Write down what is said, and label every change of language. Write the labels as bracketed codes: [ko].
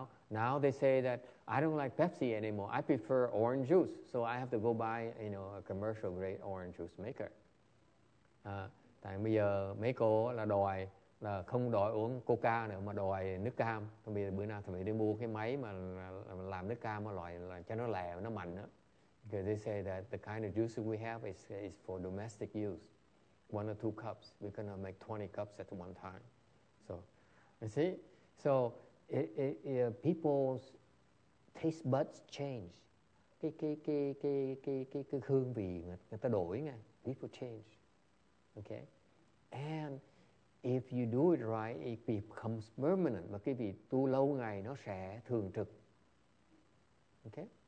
[en] Now they say that I don't like Pepsi anymore. I prefer orange juice, so I have to go buy, you know, a commercial grade orange juice maker. [vi] Tại bây giờ mấy cô là đòi là không đòi uống Coca nữa mà đòi nước cam. Thì bây giờ bữa nào thì phải đi mua cái máy mà làm nước cam mà loại là cho nó lè nó mạnh đó. [en] Because they say that the kind of juice we have is for domestic use. One or two cups, we're gonna make 20 cups at one time. So, you see, so it, people's taste buds change. [vi] Cái hương vị người ta đổi nghe. [en] People change, okay. And if you do it right, it becomes permanent. [vi] Và cái vị tu lâu ngày nó sẽ thường trực, okay.